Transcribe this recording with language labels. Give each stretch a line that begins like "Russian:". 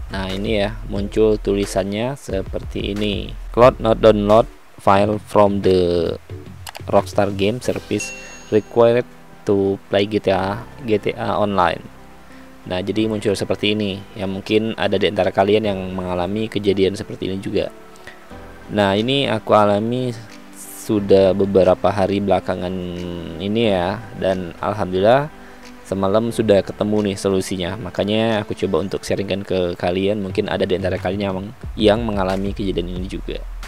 Indonesian: Ini ya, muncul tulisannya seperti ini.
English: Cloud not download file from the Rockstar Game Service required to play GTA online.
Indonesian: Nah, jadi muncul seperti ini. Ya, mungkin ada di antara kalian yang mengalami kejadian seperti ini juga. Nah, ini aku alami sudah beberapa hari belakangan ini ya, dan alhamdulillah semalam sudah ketemu nih solusinya. Makanya aku coba untuk sharingkan ke kalian, mungkin ada di antara kalian yang mengalami kejadian ini juga.